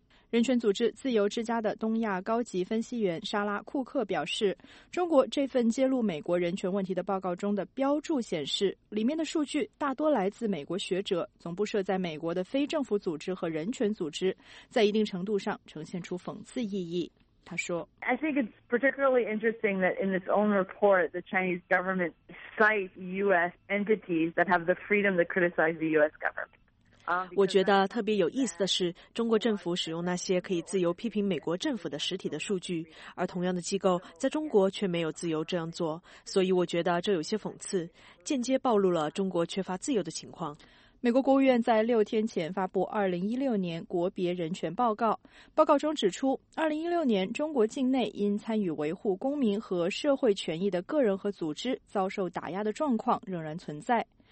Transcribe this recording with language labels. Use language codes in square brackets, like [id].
[zh] 人权组织自由之家的东亚高级分析员莎拉·库克表示，中国这份揭露美国人权问题的报告中的标注显示，里面的数据大多来自美国学者、总部设在美国的非政府组织和人权组织，在一定程度上呈现出讽刺意义。他说， [en] I think it's particularly interesting that in its own report, the Chinese government cites U.S. entities that have the freedom to criticize the U.S. government. [zh] 我觉得特别有意思的是，中国政府使用那些可以自由批评美国政府的实体的数据，而同样的机构在中国却没有自由这样做，所以我觉得这有些讽刺，间接暴露了中国缺乏自由的情况。美国国务院在6天前发布2016年国别人权报告，报告中指出，2016年中国境内因参与维护公民和社会权益的个人和组织遭受打压的状况仍然存在。